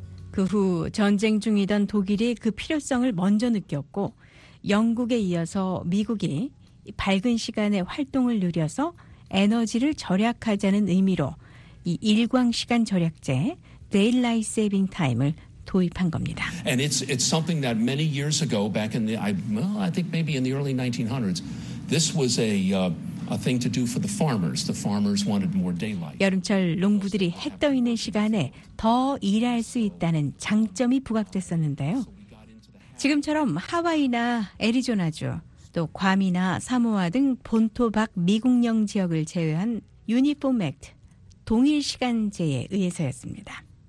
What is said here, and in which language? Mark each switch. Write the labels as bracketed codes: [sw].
[ko] 그 후 전쟁 중이던 독일이 그 필요성을 먼저 느꼈고 영국에 이어서 미국이 밝은 시간에 활동을 누려서 에너지를 절약하자는 의미로 이 일광 시간 절약제 Daylight Saving Time을 도입한 겁니다. [en] And it's something that many years ago back in the I think maybe in the early 1900s this was a thing to do for the farmers. The farmers wanted more daylight. [ko] 여름철 농부들이 해 떠 있는 시간에 더 일할 수 있다는 장점이 부각됐었는데요. 지금처럼 하와이나 애리조나주, 또 괌이나 사모아 등 본토 밖 미국령 지역을 제외한 유니폼 액트, 동일 시간제에 의해서였습니다.